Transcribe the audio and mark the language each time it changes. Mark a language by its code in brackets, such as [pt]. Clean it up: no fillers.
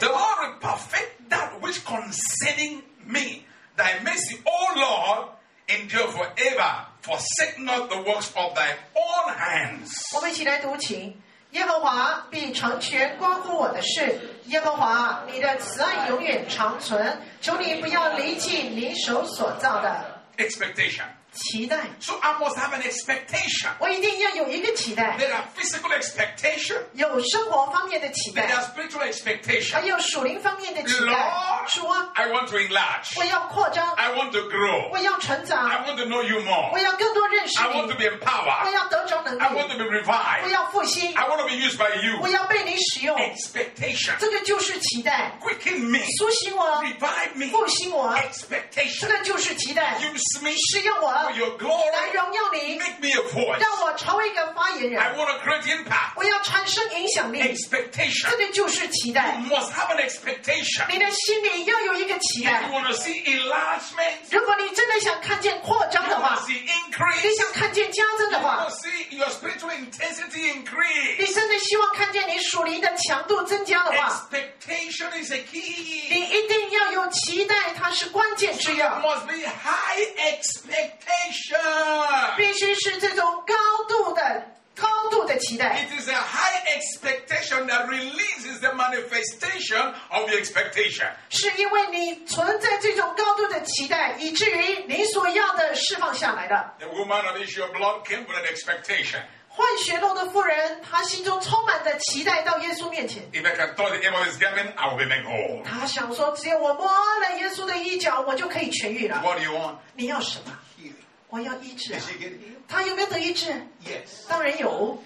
[en] The Lord will perfect that which concerning me, thy mercy, O Lord, endure forever. Forsake not the works of thy own hands. [zh] 我们一起来读经。耶和华必成全关乎我的事。耶和华，你的慈爱永远长存。求你不要离弃你手所造的。 [en] Expectation. [zh] 期待。 [en] So I must have an expectation. [zh] 我一定要有一个期待。 [en] There are physical expectation. [zh] 有生活方面的期待。 [en] There are spiritual expectation. [zh] 还有属灵方面的期待。 [en] Lord, [zh] 说 [en] I want to enlarge. [zh] 我要扩张。 [en] I want to grow. [zh] 我要成长。 [en] I want to know you more. [zh] 我要更多认识你。 [en] I want to be empowered. [zh] 我要得着能力。 [en] I want to be revived. [zh] 我要复兴。 [en] I want to be used by you. [zh] 我要被你使用。 [en] Expectation. [zh] 这个就是期待。 [en] Quicken me. [zh] 苏醒我。 [en] Revive me. [zh] 复兴我。 [en] Expectation. [zh] 这个就是期待。 [en] Use me. [zh] 使用我。 [en] For your glory, [zh] 来荣耀你 [en] make me a voice. [zh] 让我成为一个发言人 [en] I want to create impact. [zh] 我要产生影响力 [en] Expectation. [zh] 这个就是期待 [en] You must have an expectation. [zh] 你的心里要有一个期待 [en] If you want to see enlargement. [zh] 如果你真的想看见扩张的话 [en] You want to see increase. [zh] 你想看见加增的话 [en] You want to see your spiritual intensity increase. [zh] 你甚至希望看见你属灵的强度增加的话 [en] Expectation is a key. [zh] 你一定要有期待它是关键之要 [en] So you must be high expectation. [zh] 必须是这种高度的、高度的期待。 [en] It is a high expectation that releases the manifestation of your expectation. [zh] 是因为你存在这种高度的期待，以至于你所要的释放下来的。 [en] The woman of issue of blood came with an expectation. [zh] 换血肉的妇人，她心中充满着期待，到耶稣面前。 [en] If I can touch the hem of his garment, I will be made whole. [zh] 她想说，只要我摸了耶稣的衣角，我就可以痊愈了。 [en] What do you want? [zh] 你要什么？ [en] Healing. [zh] 我要医治、啊。 [en] Is she getting healed? [zh] 她有没有得医治？ [en] Yes. [zh] 当然有。